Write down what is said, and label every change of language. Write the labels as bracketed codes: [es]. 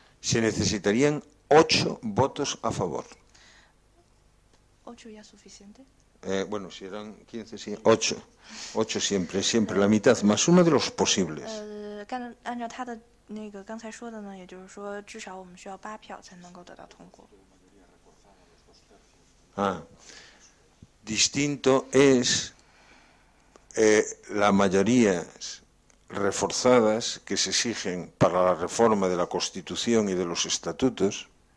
[es] Se necesitarían 8 votos a favor. 8 ya suficiente. Bueno, si eran 15, sí, 8. 8 siempre, siempre la mitad más uno de los posibles. [zh] 按照他的那个刚才说的呢，也就是说，至少我们需要8票才能够得到通过。 [es] Distinto es las mayorías reforzadas que se exigen para la reforma de la Constitución y de los estatutos.